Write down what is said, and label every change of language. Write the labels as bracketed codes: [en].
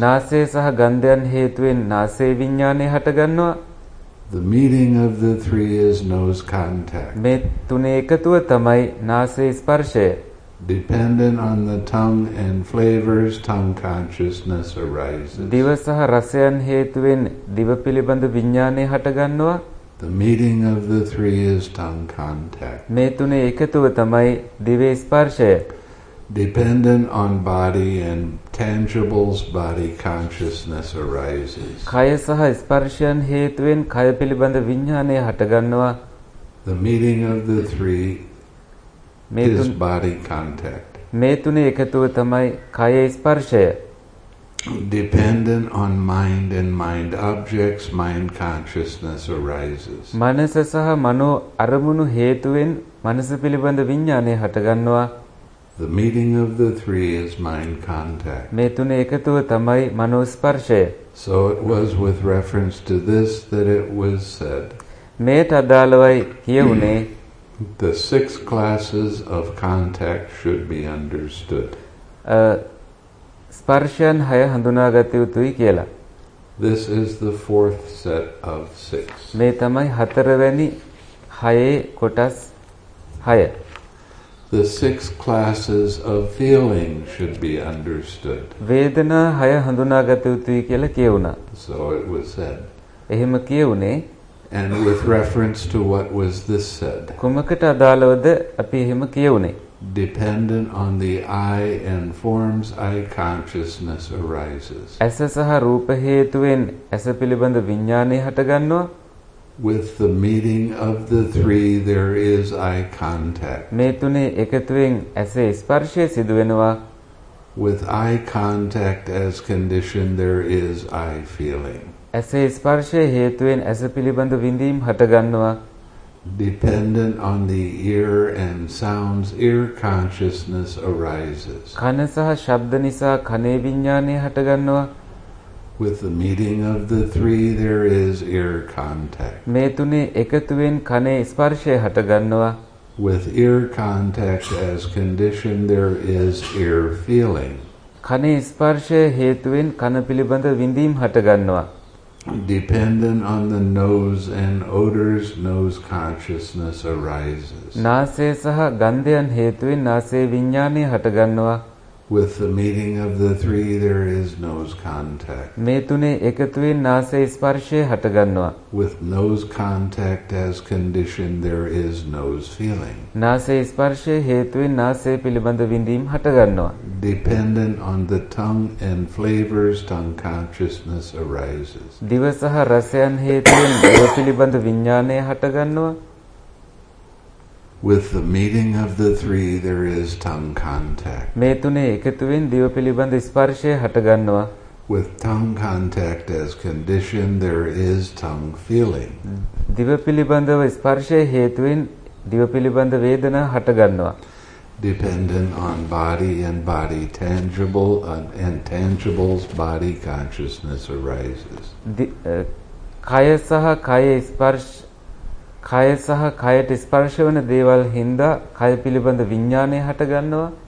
[si] නාසය සහ ගන්ධයන් හේතුවෙන් නාසය විඥානය හටගන්නවා. [en] The meeting of the three is nose contact. [si] මේ තුනේ එකතුව තමයි නාසය ස්පර්ශය. [en] Dependent on the tongue and flavors, tongue consciousness arises. [si] දිව සහ රසයන් හේතුවෙන් දිව පිළිබඳ විඥානය හටගන්නවා. [en] The meeting of the three is tongue contact. [si] මේ තුනේ එකතුව තමයි දිවේ ස්පර්ශය. [en] Dependent on body and tangibles, body consciousness arises. [si] කය සහ ස්පර්ශයන් හේතුවෙන් කය පිළිබඳ විඥානය හටගන්නවා. [en] The meeting of the three is body contact. [si] මේ තුනේ එකතුව තමයි කය ස්පර්ශය. [en] Dependent on mind and mind objects, mind consciousness arises. [si] මනස සහ මනෝ අරමුණු හේතුවෙන් මනස පිළිබඳ විඥානය හටගන්නවා. [en] The meeting of the three is mind contact. [si] මේ තුනේ එකතුව තමයි මනෝ ස්පර්ශය. [en] So it was with reference to this that it was said. [si] මේට අදාළවයි කියුනේ. [en] The six classes of contact should be understood. [si] ස්පර්ශයන් හය හඳුනාගත යුතුයි කියලා. [en] This is the fourth set of six. [si] මේ තමයි හතරවැනි හයේ කොටස් හය. [en] The six classes of feeling should be understood. [si] වේදනා හය හඳුනාගත යුතුයි කියලා කියුණා. [en] So it was said. [si] එහෙම කියුනේ. [en] And with reference to what was this said? [si] කුමකට අදාළවද අපි එහෙම කියුනේ? [en] Dependent on the eye and forms, eye consciousness arises. [si] ඇස සහ රූප හේතුවෙන් ඇස පිළිබඳ විඥානය හටගන්නවා. [en] With the meeting of the three, there is eye contact. [si] මේ තුනේ එකතුවෙන් ඇසේ ස්පර්ශය සිදු වෙනවා. [en] With eye contact as condition, there is eye feeling. [si] ඇසේ ස්පර්ශය හේතුවෙන් ඇස පිළිබඳ විඳීම් හටගන්නවා. [en] Dependent on the ear and sounds, ear consciousness arises. [si] කන සහ ශබ්ද නිසා කනේ විඥානය හටගන්නවා. [en] With the meeting of the three, there is ear contact. [si] මේ තුනේ එකතුවෙන් කනේ ස්පර්ශය හටගන්නවා. [en] With ear contact as condition, there is ear feeling. [si] කනේ ස්පර්ශය හේතුවෙන් කන පිළිබඳ විඳීම් හටගන්නවා. [en] Dependent on the nose and odors, nose consciousness arises. [si] නාසය සහ ගන්ධයන් හේතුවෙන් නාසයේ විඥානය හටගන්නවා. [en] With the meeting of the three, there is nose contact. [si] මේ තුනේ එකතුවෙන් නාසයේ ස්පර්ශය හටගන්නවා. [en] With nose contact as condition, there is nose feeling. [si] නාසයේ ස්පර්ශය හේතුවෙන් නාසයේ පිළිබඳ විඳීම් හටගන්නවා. [en] Dependent on the tongue and flavors, tongue consciousness arises. [si] දිව සහ රසයන් හේතුවෙන් දිව පිළිබඳ විඥානය හටගන්නවා. [en] With the meeting of the three, there is tongue contact. [si] මේ තුනේ එකතුවෙන් දිව පිළිබඳ ස්පර්ශය හටගන්නවා. [en] With tongue contact as condition, there is tongue feeling. [si] දිව පිළිබඳව ස්පර්ශය හේතුවෙන් දිව පිළිබඳ වේදනා හටගන්නවා. [en] Dependent on body and body tangible and intangibles, body consciousness arises. [si] කය සහ කය ස්පර්ශ කය සහ කයට ස්පර්ශ වන දේවල් හින්දා කය පිළිබඳ විඥානය හටගන්නවා.